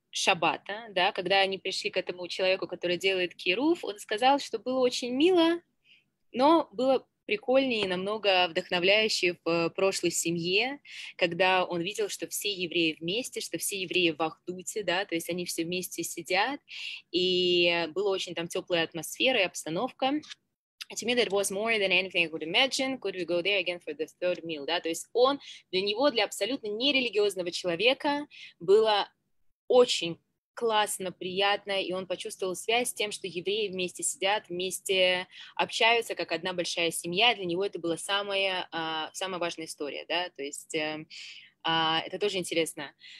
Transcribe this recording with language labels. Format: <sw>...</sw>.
<ru>Шаббата, да, когда они пришли к этому человеку, который делает кируф, он сказал, что было очень мило, но было прикольнее и намного вдохновляюще в прошлой семье, когда он видел, что все евреи вместе, что все евреи в ахдуте, да, то есть они все вместе сидят, и была очень там теплая атмосфера и обстановка.</ru> <en>To me, that was more than anything I could imagine. Could we go there again for the third meal?</en> <ru>Да, то есть он, для него, для абсолютно нерелигиозного человека, было очень классно, приятно, и он почувствовал связь с тем, что евреи вместе сидят, вместе общаются, как одна большая семья. Для него это была самая, самая важная история, да, то есть это тоже интересно.</ru>